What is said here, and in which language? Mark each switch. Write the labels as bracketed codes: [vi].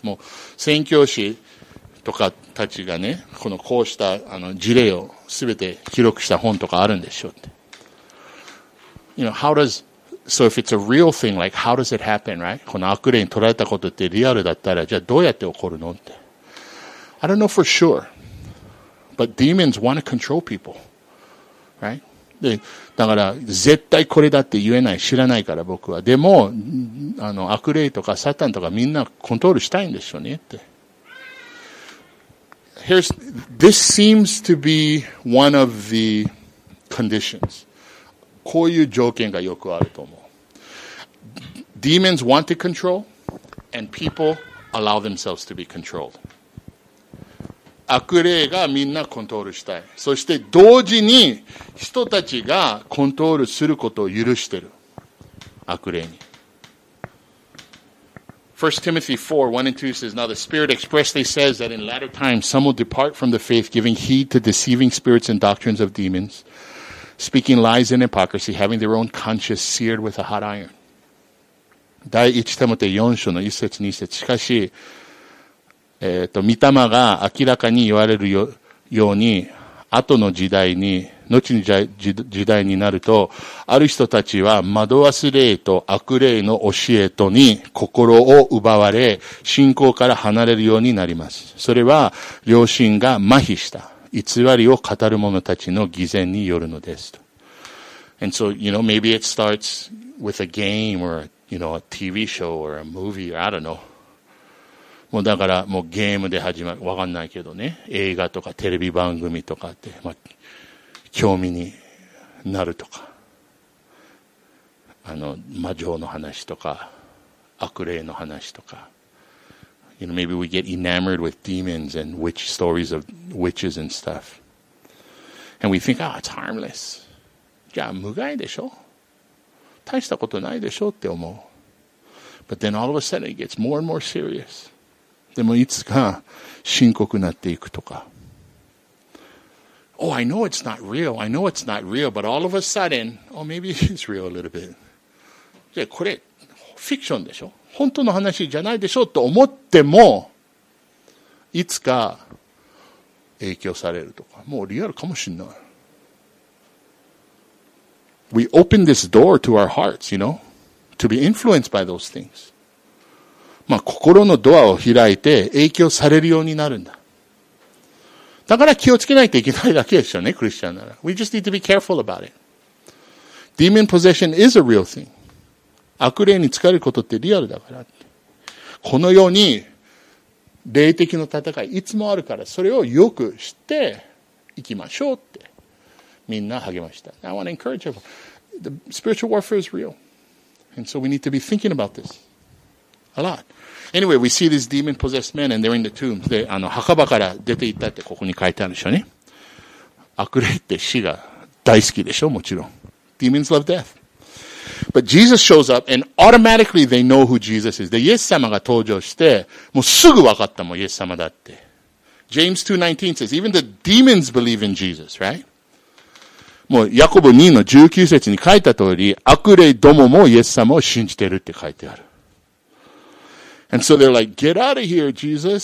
[ja] もう宣教師とかたちがね、このこうした事例をすべて記録した本とかあるんでしょって。 [en] You know, how does, so if it's a real thing, like, how does it happen, right? [ja] この悪霊に取られたことってリアルだったら、じゃあどうやって起こるのって。 [en] I don't know for sure. But demons want to control people. Right? [ja] で、だから、絶対これだって言えない、知らないから僕は。でも、悪霊とかサタンとかみんなコントロールしたいんでしょうねって。 [en] Here's, this seems to be one of the conditions. [ja] こういう条件がよくあると思う。 [en] Demons want to control and people allow themselves to be controlled. [ja] 悪霊がみんなコントロールしたい。そして同時に人たちがコントロールすることを許してる。悪霊に。 [en] 1 Timothy 4, 1 and 2 says, Now the Spirit expressly says that in latter times some will depart from the faith, giving heed to deceiving spirits and doctrines of demons, speaking lies and hypocrisy, having their own conscience seared with a hot iron. [ja] 第1テモテ4章の1節2節。しかし、御霊が明らかに言われるように、後の時代に、後の時代になると、ある人たちは惑わす霊と悪霊の教えとに心を奪われ、信仰から離れるようになります。それは、良心が麻痺した、偽りを語る者たちの偽善によるのですと。 [en] And so, you know, maybe it starts with a game or, you know, a TV show or a movie or I don't know. [ja] もうだからもうゲームで始まる。わかんないけどね。映画とかテレビ番組とかって、まあ、興味になるとか。あの、魔女の話とか、悪霊の話とか。 [en] You know, maybe we get enamored with demons and witch stories of witches and stuff. And we think, ah, it's harmless. [ja] じゃあ、無害でしょ? 大したことないでしょって思う。 [en] But then all of a sudden it gets more and more serious. [ja] でもいつか深刻になっていくとか。 [en] Oh, I know it's not real. I know it's not real. But all of a sudden, oh, maybe it's real a little bit. [ja] じゃあこれ、フィクションでしょ?本当の話じゃないでしょ? と思っても、いつか影響されるとか。もうリアルかもしんない。 [en] We open this door to our hearts, you know, to be influenced by those things. [ja] まあ、心のドアを開いて影響されるようになるんだ。だから気をつけないといけないだけですよね、クリスチャンなら。 [en] We just need to be careful about it. Demon possession is a real thing. [ja] 悪霊に疲れることってリアルだから。このように霊的の戦いいつもあるから、それをよく知っていきましょうってみんな励ました。 [en] I want to encourage everyone. The spiritual warfare is real. And so we need to be thinking about this. A lot. Anyway, we see these demon-possessed men and they're in the tombs. [ja] で、あの、墓場から出て行ったってここに書いてあるでしょうね。悪霊って死が大好きでしょ?もちろん。 [en] Demons love death. But Jesus shows up and automatically they know who Jesus is. [ja] で、イエス様が登場して、もうすぐ分かったもん、イエス様だって。 [en] James 2:19 says, even the demons believe in Jesus, right? [ja] もう、ヤコブ2の19節に書いた通り、悪霊どももイエス様を信じてるって書いてある。 [en] And so they're like, get out of here, Jesus.